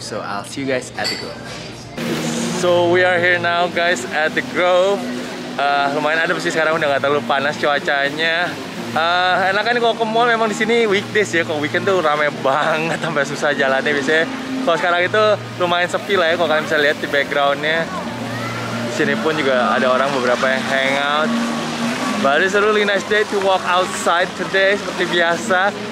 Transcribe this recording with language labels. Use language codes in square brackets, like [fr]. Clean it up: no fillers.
[en] So I'll see you guys at The Grove. So we are here now guys at The Grove. [id] Lumayan adem sih sekarang, udah gak terlalu panas cuacanya. Enakan kalau ke mall memang di sini weekdays ya, kalau weekend tuh rame banget sampai susah jalannya biasanya. Kalau sekarang itu lumayan sepi lah ya, kalau kalian bisa lihat di backgroundnya. Di sini pun juga ada orang beberapa yang hangout. [en] But it's a really nice day to walk outside today [id] seperti biasa.